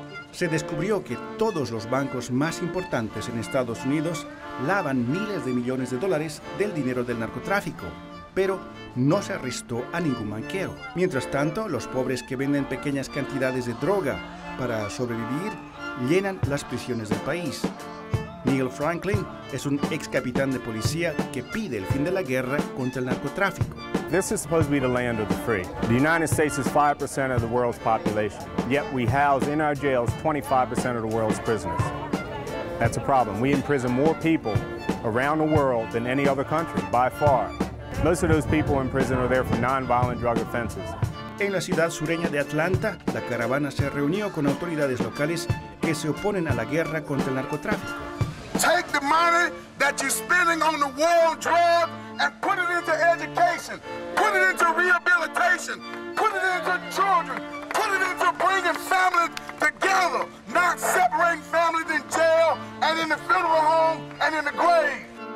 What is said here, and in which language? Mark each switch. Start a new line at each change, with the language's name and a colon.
Spanish: Se descubrió que todos los bancos más importantes en Estados Unidos lavan miles de millones de dólares del dinero del narcotráfico, pero no se arrestó a ningún banquero. Mientras tanto, los pobres que venden pequeñas cantidades de droga para sobrevivir llenan las prisiones del país. Neil Franklin es un ex capitán de policía que pide el fin de la guerra contra el narcotráfico.
English: This is supposed to be the land of the free. The United States is 5% of the world's population, yet we house in our jails 25% of the world's prisoners. That's a problem. We imprison more people around the world than any other country, by far. Most of those people in prison are there for non-violent drug offenses.
Spanish: En la ciudad sureña de Atlanta, la caravana se reunió con autoridades locales que se oponen a la guerra contra el narcotráfico.
English: Take the money that you're spending on the war on drugs and put it into education, put it into rehabilitation, put it into children, put it into bringing families together, not separating families in jail and in the funeral home and in the grave.